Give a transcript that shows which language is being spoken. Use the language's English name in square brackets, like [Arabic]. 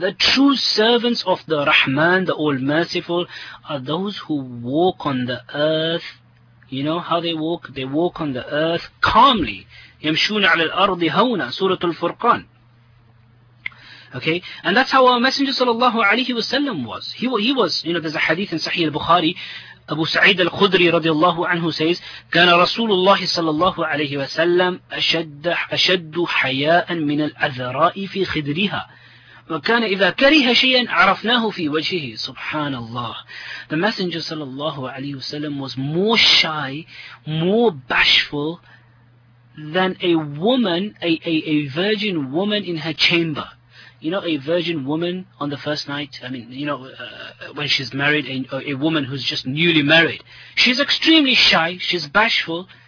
[English] The true servants of the Rahman, the All Merciful, are those who walk on the earth. You know how they walk? They walk on the earth calmly. [Arabic] يَمْشُونَ عَلَى الْأَرْضِ هَوْنَا. [English] Surah Al-Furqan. Okay? And that's how our Messenger sallallahu alayhi wa sallam was. He was, you know, there's a hadith in Sahih al-Bukhari. [Arabic] Abu Sa'id al-Khudri radiallahu anhu says, كان رسول الله صلى الله عليه وسلم أشد حياء من الأذراء في خدرها. وكان إذا كره شيئا عرفناه في وجهه سبحان الله. [English] The messenger صلى الله عليه وسلم was more shy, more bashful than a woman, a virgin woman in her chamber. You know, a virgin woman on the first night, I mean, you know, when she's married, a woman who's just newly married, she's extremely shy, she's bashful.